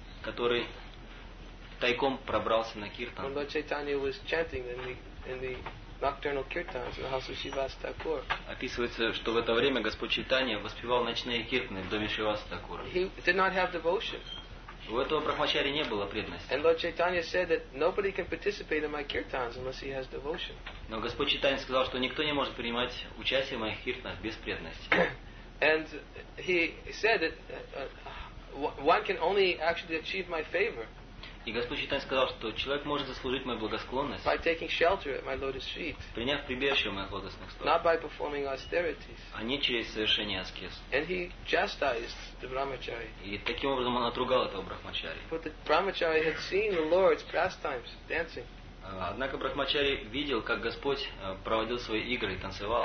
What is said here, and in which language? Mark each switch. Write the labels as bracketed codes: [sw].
[ru] Который тайком пробрался на Киртан. [en] When Lord Chaitanya was chanting in the nocturnal kirtans in the house of Shivas Thakur. [ru] Описывается, что в это время Господь Чайтанья воспевал ночные киртаны в доме Шивас Такура. [en] He did not have devotion. [ru] У этого брахмачари не было преданности. [en] And Lord Chaitanya said that nobody can participate in my kirtans unless he has devotion. [ru] Но Господь Чайтанья сказал, что никто не может принимать участие в моих киртанах без преданности. [en] And he said that one can only actually achieve my favor. [ru] И Господь Чайтанья сказал, что человек может заслужить мою благосклонность. [en] By taking shelter at my lotus feet. [ru] Приняв прибежище у моих лотосных стоп. [en] Not by performing austerities. [ru] А не через совершение аскез. [en] And he chastised the brahmachari. [ru] И таким образом он отругал этого брахмачари. [en] But the brahmachari had seen the Lord's pastimes, dancing. [ru] Однако брахмачари видел, как Господь проводил свои игры и танцевал.